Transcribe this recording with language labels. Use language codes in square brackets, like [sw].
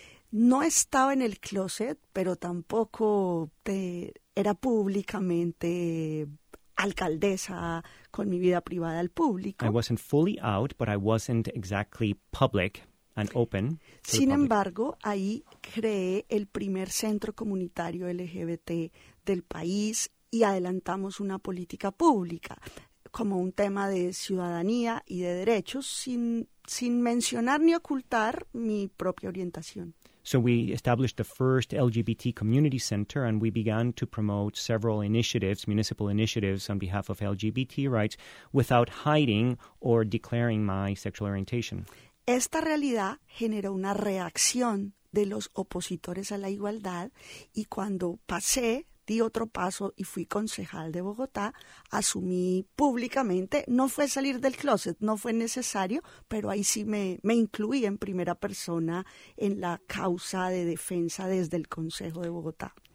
[es] No estaba en el closet, pero tampoco era públicamente... alcaldesa con mi vida privada al público. [en] I wasn't fully out, but I wasn't exactly public and open. [es] Sin embargo, ahí creé el primer centro comunitario LGBT del país y adelantamos una política pública como un tema de ciudadanía y de derechos sin mencionar ni ocultar mi propia orientación. [en] So we established the first LGBT community center and we began to promote several initiatives, municipal initiatives on behalf of LGBT rights without hiding or declaring my sexual orientation. [es] Esta realidad generó una reacción de los opositores a la igualdad y cuando pasé, di otro paso y fui concejal de Bogotá, asumí públicamente, no fue salir del closet, no fue necesario, pero ahí sí me incluí en primera persona en la causa de defensa desde el Consejo de Bogotá.